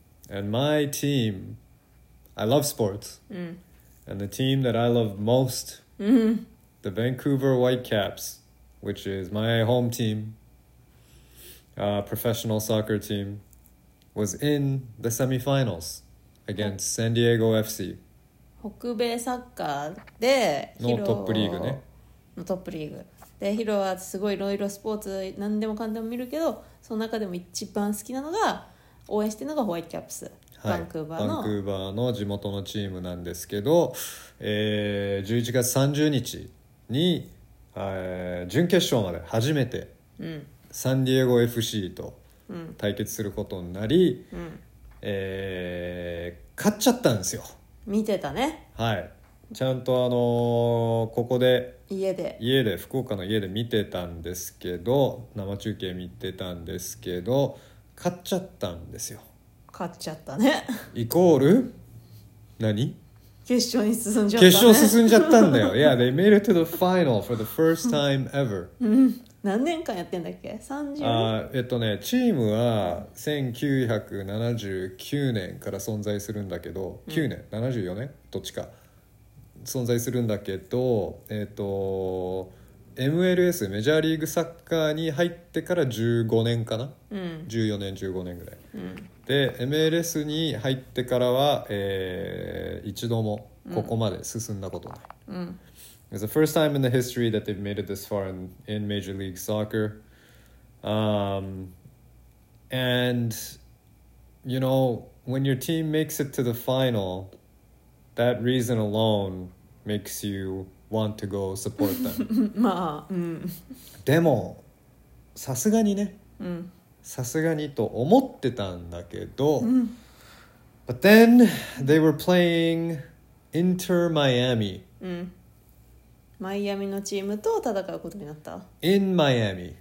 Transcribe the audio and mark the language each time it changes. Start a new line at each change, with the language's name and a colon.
English: And my team, I love sports, and the team that I love most, the Vancouver Whitecaps, which is my home team, professional soccer team,was in the semifinals against San Diego FC.
Japanese: 北米サッカーでのトップリーグね。のトップリーグでヒロはすごいいろいろスポーツ何でもかんでも見るけど、その中でも一番好きなのが応援してるのがホワイトキャップス、はい、バンクーバーの。バンクーバーの地元のチームなんですけど、11月30日に、準決勝まで初めて、うん、サンディエゴ FC と対決することになり、うん、勝っちゃったんですよ。見てたね。はい、ちゃんとここで家で福岡の家で見てたんですけど、生中継見てたんですけど、勝っちゃったんですよ。勝っちゃったね。イコール何？決勝に進んじゃったね。決勝進んじゃったんだよ。
English: Yeah, they made it to the final for the first time ever.
Japanese: 何年間やってんだっけ？ 30? チームは1979年から存在するんだけど、9年、74年どっちか存在するんだけど、MLS メジャーリーグサッカーに入ってから15年かな、うん、 14年15年ぐらい、うん、で MLS に入ってからは、一度もここまで進んだことない、うんうん。
English: It's the first time in the history that they've made it this far in Major League Soccer. And, you know, when your team makes it to the final, that reason alone makes you want to go support them.
Japanese: まあ、うん。でも、さすがにね。うん。さすがにと思ってたんだけど。うん。
English: But then, they were playing Inter Miami.
Japanese: うん。マイアミのチームと戦うことになった。
English: In Miami。